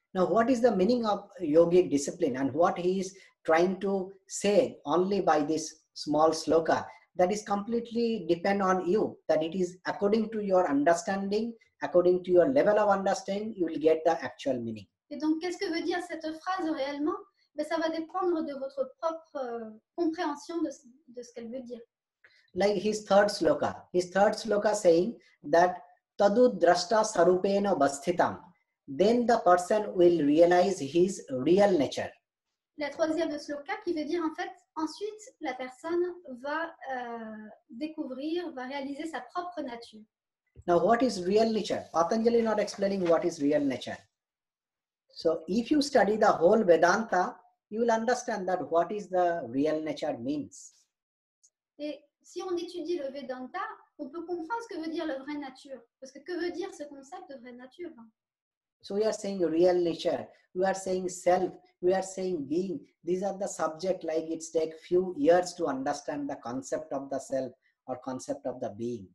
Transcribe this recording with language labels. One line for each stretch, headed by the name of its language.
English: Now, what is the meaning of yogic discipline and what he is trying to say only by this small sloka? That is completely depend on you, that it is according to your understanding, according to your level of understanding, you will get the actual meaning.
French: Et donc, qu'est-ce que veut dire cette phrase réellement? Mais ça va dépendre de votre propre compréhension de ce qu'elle veut dire.
English: Like his third sloka saying that tadu drashta sarupena vasthitam, then the person will realize his real nature.
French: La troisième sloka qui veut dire en fait ensuite la personne va découvrir, va réaliser sa propre nature.
English: Now what is real nature? Patanjali not explaining what is real nature. So if you study the whole Vedanta, you will understand that what is the real nature means.
French: Et si on étudie le Vedanta, on peut comprendre ce que veut dire la vraie nature. Parce que veut dire ce concept de vraie nature?
English: So we are saying real nature, we are saying self, we are saying being. These are the subjects like it takes few years to understand the concept of the self or concept of the being.